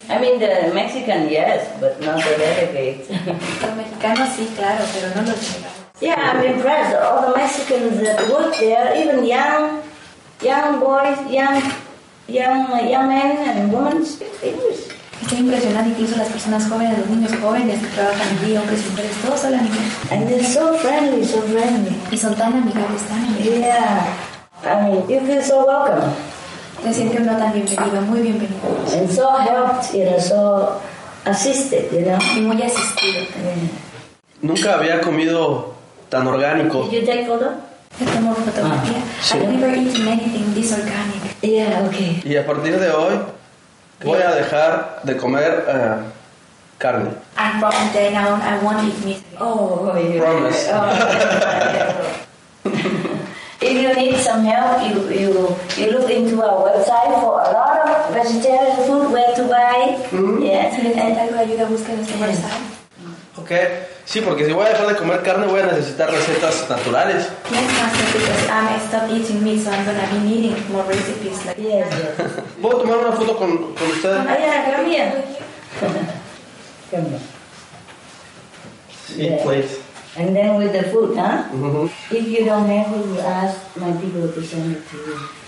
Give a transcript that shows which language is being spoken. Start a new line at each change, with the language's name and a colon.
English: I mean, the Mexican, yes, but not the delegates.
Spanish: Los mexicanos sí, claro, pero no los chicos.
English: Yeah, I'm impressed. All the Mexicans that work there, even young boys, young men and women speak English.
Spanish: Estoy impresionada incluso las personas jóvenes, los niños jóvenes que trabajan aquí, hombres y mujeres, todos hablan inglés.
English: And they're so friendly.
Spanish: Y son tan amigables, tan amigables.
English: Yeah, I mean, you feel so welcome.
Spanish: Te siento uno tan bienvenido, muy bienvenido.
English: And so helped, you know, so assisted, you know.
Spanish: Y muy asistido también. Nunca había comido tan orgánico.
English: Did you take photo? Sí. I've never eaten anything this organic. Yeah, okay.
Spanish: Y a partir de hoy, voy a dejar de comer carne.
English: And from today on, I won't eat meat. Oh, promise. Oh. If you need some help, you look into our website for a lot of vegetarian food where to buy. Mm-hmm. Yes.
Spanish: ¿Tienes algo de ayuda? Busca nuestro website.
English: Okay.
Spanish: Sí, porque si voy a dejar de comer carne, voy a necesitar recetas naturales.
English: Yes, Master, because I'm stopped eating meat, so I'm going to be needing more recipes like this. Yes.
Spanish: ¿Puedo tomar una foto con usted?
English: Ah, yeah, come here. Sí, please. And then with the food, huh? Mm-hmm. If you don't have food, you ask my people to send it to you.